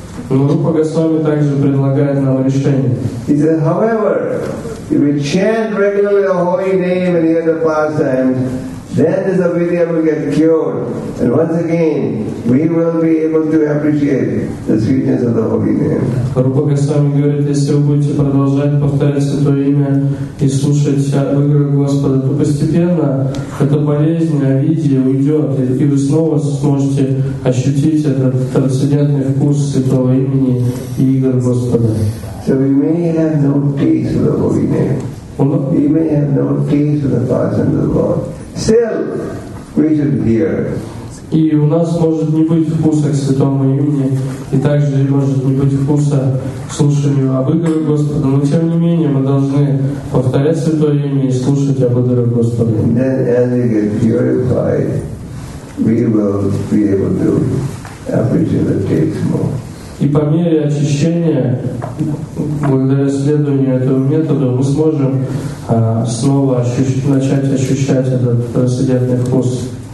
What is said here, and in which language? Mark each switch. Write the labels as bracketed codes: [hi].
[ru] Но Рупа Госвами также предлагает нам решение. [en] He said, however, if we chant regularly the holy name and hear the pastimes, then this avidya will get cured. And once again, we will be able to appreciate the sweetness of the holy name. [ru] Рупа Госвами говорит, если вы будете продолжать повторять Святое Имя и слушать выговоры Господа, то постепенно эта болезнь, авидья уйдет, и вы снова сможете ощутить этот трансцендентный вкус Святого Имени и игр Господа. [en] So we may have no peace with the holy name. We may have no peace with the pastimes of the Lord. Still, we should hear. [ru] И у нас может не быть вкуса к Святому Имени, и также может не быть вкуса к слушанию об игре Господа, но тем не менее мы должны повторять Святое Имя и слушать об игре Господа. [en] And then as we get purified, we will be able to appreciate the taste more. [ru] И по мере очищения, благодаря следованию этому методу, мы сможем снова начать ощущать этот трансцендентный вкус.